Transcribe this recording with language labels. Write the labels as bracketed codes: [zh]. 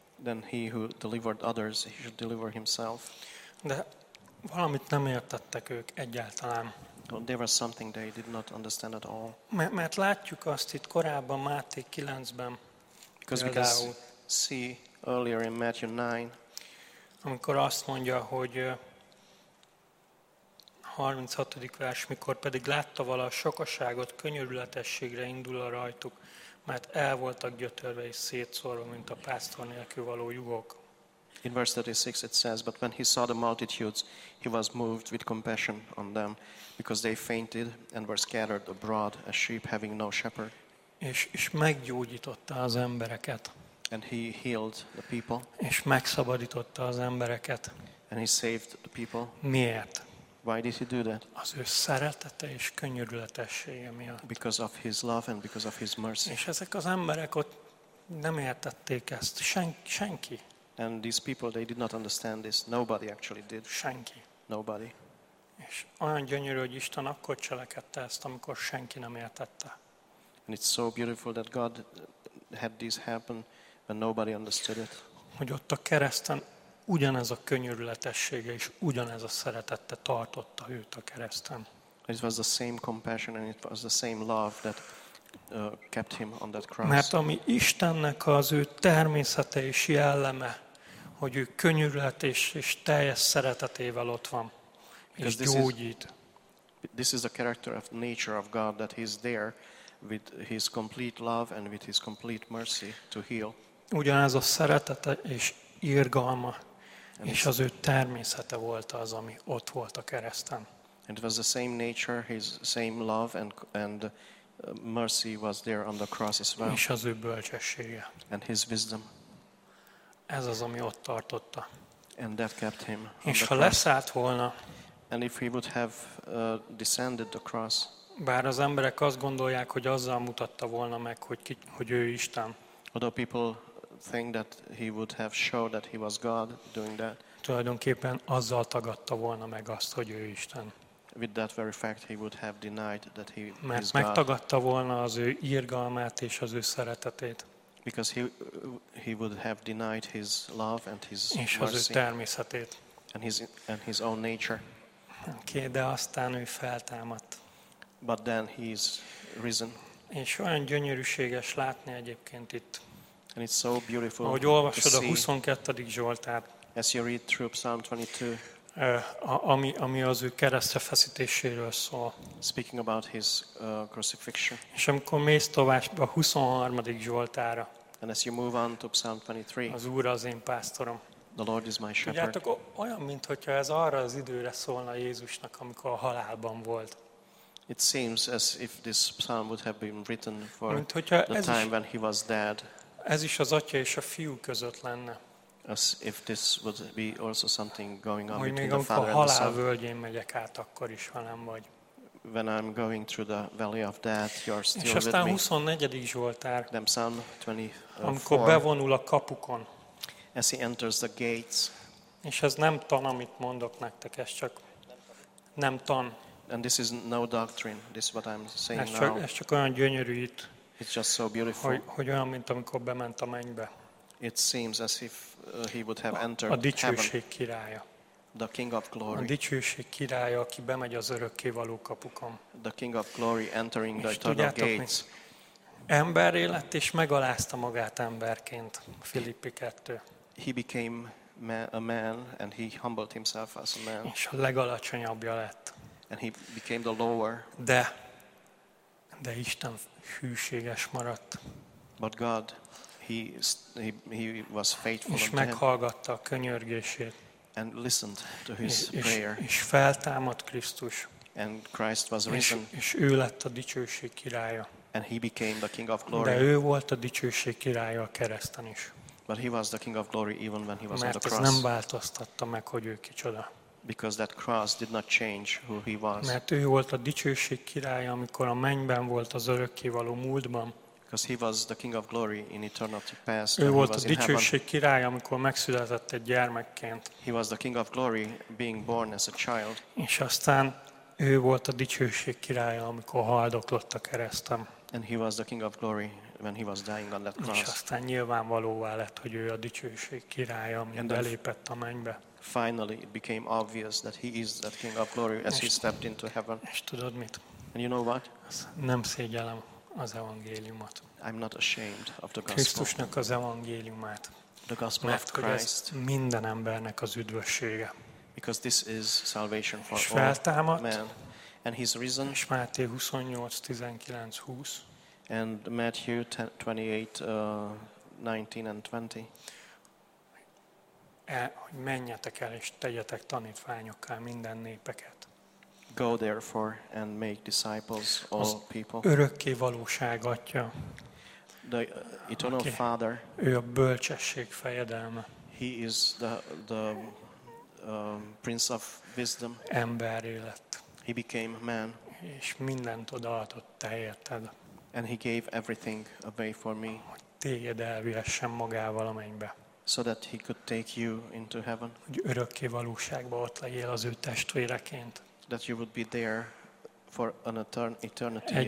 [en] Then he who delivered others, he should deliver himself. [hu] De valamit nem értettek ők egyáltalán. [en] Well, there was something they did not understand at all. [hu] Mert látjuk azt itt korábban Máté 9-ben. [en] Because we can see earlier in Matthew 9. [hu] Amikor azt mondja, hogy 36. vers, mikor pedig látta vala a sokaságot, könyörületességre indul a rajtuk, mert el voltak gyötörve és szétszórva, mint a pásztor nélkül való juhok. [en] In verse 36 it says, but when he saw the multitudes, he was moved with compassion on them, because they fainted and were scattered abroad as sheep having no shepherd. [hu] És meggyógyította az embereket. [en] And he healed the people. [hu] És megszabadította az embereket. [en] And he saved the people. [hu] Miért? [en] Why did he do that? [hu] Az ő szeretete és könyörületessége miatt. [en] Because of his love and because of his mercy. [hu] És ezek az emberek ott nem értették ezt. Senki. [en] And these people, they did not understand this. Nobody actually did. [hu] Senki. [en] Nobody. [hu] És olyan gyönyörű, hogy Isten akkor cselekedte ezt, amikor senki nem értette. [en] And it's so beautiful that God had this happen when nobody understood it. [hu] Hogy ott a kereszten ugyanez a könyörületessége és ugyanez a szeretete tartotta őt a kereszten. [en] It was the same compassion and it was the same love that kept him on that cross. [hu] Mert ami Istennek az ő természete és jelleme, hogy ő könyörület és teljes szeretetével ott van és because gyógyít. [en] This is the character of nature of God that he's there with his complete love and with his complete mercy to heal. [hu] Ugyanez a szeretete és irgalma és az ő természete volt az, ami ott volt a kereszten. [en] It was the same nature, his same love and mercy was there on the cross as well. [hu] És az ő bölcsessége. [en] And his wisdom. [hu] Ez az, ami ott tartotta. [en] And that kept him on the cross. [hu] És ha leszállt volna, [en] and if he would have descended the cross, [hu] bár az emberek azt gondolják, hogy azzal mutatta volna meg, hogy ő Isten. [en] Although people think that he would have showed that he was God doing that. [hu] Tulajdonképpen azzal tagadta volna meg azt, hogy ő Isten. [en] With that very fact he would have denied that he is God. [hu] Mert megtagadta volna az ő irgalmát és az ő szeretetét. [en] Because he would have denied his love and his mercy. [hu] És az ő természetét. [en] And his own nature. [hu] Okay, de aztán ő feltámadt. [en] But then he is risen. [hu] És olyan gyönyörűséges látni egyébként itt. [en] And it's so beautiful. [hu] Ahogy olvasod a 22. Zsoltárt. [en] As you read through Psalm 22. [hu] Ami az ő keresztre feszítéséről szól. [en] Speaking about his crucifixion. [hu] És amikor mész tovább a 23. Zsoltára. [en] And as you move on to Psalm 23. [hu] Az Úr az én pásztorom. [en] The Lord is my shepherd. [hu] Tudjátok, olyan, mintha ez arra az időre szólna Jézusnak, amikor a halálban volt. [en] It seems as if this psalm would have been written for the time when he was dead. [hu] Ez is az Atya és a Fiú között lenne. [en] As if this would be also something going on between the Father and the Son. [hu] Hogy még amikor halál völgyén megyek át, akkor is velem vagy. [en] when I'm going through the valley of death, you're still with me. [hu] És aztán 24. Zsoltár, [en] Psalm [hu] 24, amikor bevonul a kapukon. [en] As he enters the gates. [hu] És ez nem tan, amit mondok nektek, ez csak nem tan. [en] And this is no doctrine, this is what I'm saying [hu] ez csak, [en] now. [hu] Ez csak olyan gyönyörű itt. [en] It's just so beautiful. [hu] Hogy olyan, mint amikor bement a mennybe. [en] It seems as if he would have entered [hu] a dicsőség [en] heaven. [hu] Királya. [en] The King of Glory. [hu] A dicsőség királya, aki bemegy az örökké való kapukon. [en] The King of Glory entering the eternal gates. [hu] Emberré lett és megalázta magát emberként, Filippi 2. [en] He became a man and he humbled himself as a man. [hu] És a legalacsonyabbja lett. [en] And he became the lower. [hu] De Isten hűséges maradt. [en] But God, he was faithful. [hu] És meghallgatta a könyörgését. [en] And listened to his prayer. [hu] És feltámadt Krisztus. [en] And Christ was risen. [hu] És ő lett a dicsőség királya. [en] And he became the King of Glory. [hu] De ő volt a dicsőség királya a kereszten is. [en] But he was the King of Glory even when he was [hu] mert [en] on the cross. [hu] Mert ez nem változtatta meg, hogy ő kicsoda. [en] Because that cross did not change who he was. [hu] Mert ő volt a dicsőség királya, amikor a mennyben volt az örökkévaló múltban. [en] Because he was the King of Glory in eternity past. [hu] Ő volt a dicsőség királya, amikor megszületett egy gyermekként. [en] He was the King of Glory being born as a child. [hu] És aztán ő volt a dicsőség királya, amikor haldoklott a kereszten. [en] And he was the King of Glory when he was dying on that cross. [hu] És aztán nyilvánvalóvá lett, hogy ő a dicsőség királya, ami belépett a mennybe. [en] Finally it became obvious that he is that King of Glory as he stepped into heaven. [hu] És tudod mit? [en] And you know what? [hu] Nem szégyellem az evangéliumot. [en] I'm not ashamed of the gospel. [hu] Krisztusnak az evangéliumát. [en] The gospel of Christ. [hu] Minden embernek az üdvössége. [en] Because this is salvation for all men. And he's risen. [hu] És Máté 28:19-20. [en] And Matthew 28:19-20. [hu] Hogy menjetek el és tegyetek tanítványokká minden népeket. [en] Go therefore and make disciples all people. [hu] Örökké valóság atya. [en] The eternal Father. [hu] Ő a bölcsesség fejedelme. [en] He is the prince of wisdom. [hu] Emberré lett. [en] He became man. [hu] És mindent odaadott te érted. [en] And he gave everything away for me. [hu] Hogy téged elvihessen magával a mennybe. [en] So that he could take you into heaven. [hu] Hogy örökké valóságban ott legyél az ő testvéreként. [en] That you would be there for an eternity